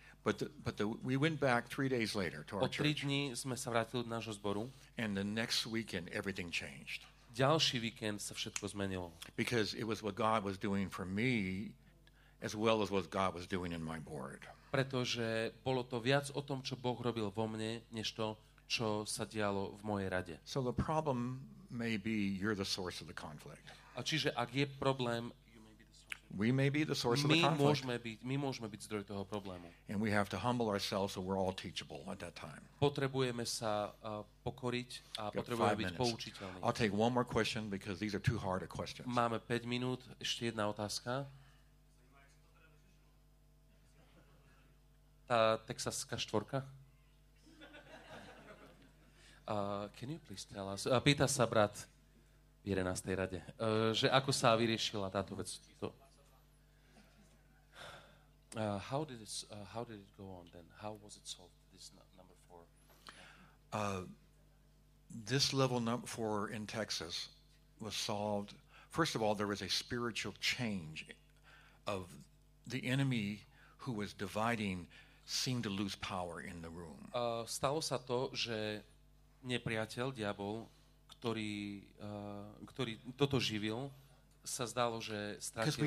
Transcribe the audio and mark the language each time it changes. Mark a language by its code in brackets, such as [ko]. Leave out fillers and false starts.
[en] But we went back 3 days later to our church. [sk] O 3 dní sme sa vrátili do nášho zboru. [en] And the next weekend everything changed. [sk] Ďalší víkend sa všetko zmenilo. [en] Because it was what God was doing for me as well as what God was doing in my board. [sk] Pretože bolo to viac o tom, čo Boh robil vo mne, než to, čo sa dialo v mojej rade. [en] So the problem may be you're the source of the conflict. [sk] A čiže ak je problém, [en] we may be the source of the conflict. [sk] My môžeme byť zdroj toho problému. [en] And we have to humble ourselves so we're all teachable at that time. [sk] Potrebujeme sa pokoriť a potrebujeme byť poučiteľní. [en] I'll take one more question because these are too hard a questions. [sk] Máme 5 minút, ešte jedna otázka. Tá texaská štvorka. [en] Can you please tell us? [sk] Pýta sa brat v 11. rade, že ako sa vyriešila táto vec. [en] How did it go on then? How was it solved, this number 4? This level number 4 in Texas was solved. First of all, there was a spiritual change of the enemy who was dividing seemed to lose power in the room. [sk] Stalo sa to, že nepriateľ, diabol, ktorý toto živil, sa zdalo, že stratil